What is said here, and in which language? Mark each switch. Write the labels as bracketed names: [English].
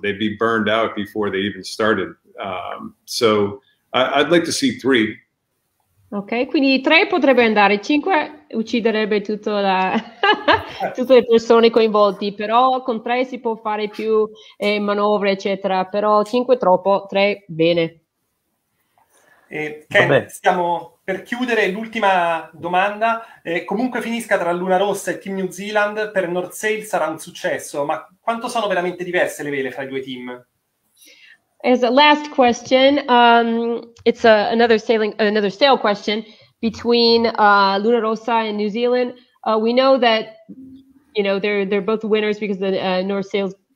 [English] They'd be burned out before they even started. So I'd like to see 3. [Italian] Ok, quindi 3 potrebbe andare, 5 ucciderebbe tutte le persone coinvolte, però con 3 si può fare più manovre, eccetera, però 5 troppo, 3 bene. Ken, stiamo per chiudere l'ultima domanda. Comunque finisca tra Luna Rossa e Team New Zealand, per North Sail sarà un successo, ma quanto sono veramente diverse le vele fra i due team? [English] As a last question, it's another sail question between Luna Rossa and New Zealand. We know that they're both winners because the North Sails.